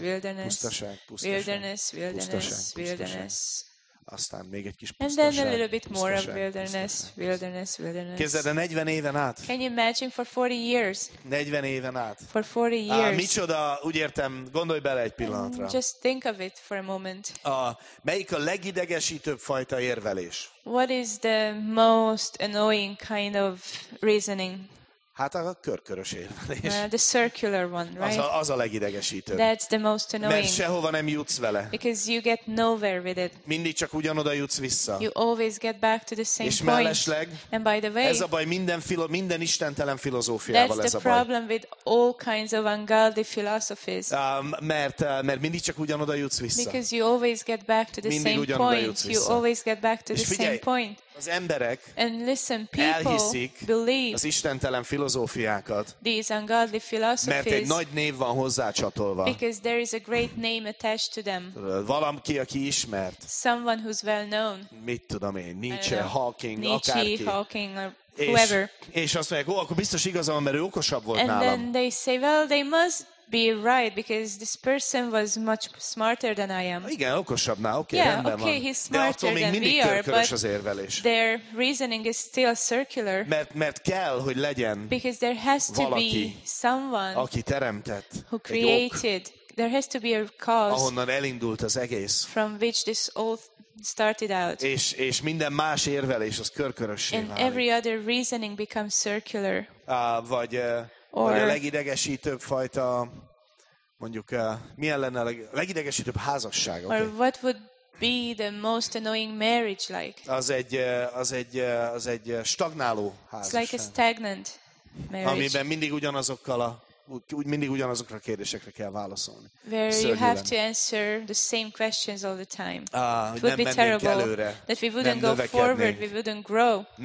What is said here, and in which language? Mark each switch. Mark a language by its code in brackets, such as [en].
[en] wilderness, [hu] pusztaság, [en] wilderness, [hu] pusztaság, [en] wilderness. [hu] Pusztaság. Aztán még egy kis pusztaság. [en] And then a little bit more of wilderness, wilderness, wilderness. [hu] Képzeld, 40 éven át. [en] Can you imagine for 40 years? [hu] 40 éven át. [en] For 40 years. [hu] Micsoda, úgy értem, gondolj bele egy pillanatra. [en] And just think of it for a moment. [hu] Melyik a legidegesítőbb fajta érvelés? [en] What is the most annoying kind of reasoning? [hu] Hát a körkörös érvelés. [en] The circular one, right? [hu] Az a legidegesítőbb. [en] That's the most annoying. [hu] Mert sehova nem jutsz vele. [en] Because you get nowhere with it. [hu] Mindig csak ugyanoda jutsz vissza. [en] You always get back to the same point. [hu] És mellesleg, [en] and by the way, [hu] ez a baj minden istentelen filozófiával [en] that's [hu] ez a baj. [en] That's the problem with all kinds of ungodly philosophies. [hu] Mert mindig csak ugyanoda jutsz vissza. [en] Because you always get back to the [hu] mindig [en] same point. [hu] Vissza. [en] You always get back to the same point. [hu] Az emberek [en] and listen, people [hu] elhiszik az istentelen filozófiákat, [en] these ungodly philosophies, [hu] mert egy nagy név van hozzácsatolva. [en] Because there is a great name attached to them. [hu] Valamki, aki ismert. [en] Someone who's well known. [hu] Mit tudom én, Nietzsche, Hawking, [en] Nietzsche, [hu] akárki. [en] Nietzsche, Hawking, or whoever. [hu] És azt mondják, akkor biztos igaza van, mert ő okosabb volt [en] and [hu] nálam. [en] And then they say, well, they must be right because this person was much smarter than I am. [hu] Igen, okosabb nál, okay, [en] yeah, [hu] rendben [en] okay, [hu] van. [en] He's smarter [hu] de attól [en] than we are, [hu] körkörös az érvelés. [en] But their reasoning is still circular. [hu] Mert kell, hogy legyen [en] because there has to [hu] valaki, [en] be someone [hu] aki teremtett, [en] who created. There has to be a cause [hu] ahonnan elindult az egész. [en] From which this all started out. [hu] És minden más érvelés az körkörössé válik. [en] And every other reasoning becomes circular. [hu] Or a legidegesítőbb fajta, mondjuk, milyen lenne a legidegesítőbb házasság? [en] Or what would be the most annoying marriage like? [hu] Az egy stagnáló házasság. [en] It's like a stagnant marriage. [hu] Amiben mindig ugyanazokkal ugyanazokra a kérdésekre kell válaszolni. [en] Where [hu] szörnyűen. [en] You have to answer the same questions all the time. It would be terrible [hu] előre, [en] that we wouldn't go forward, we wouldn't grow.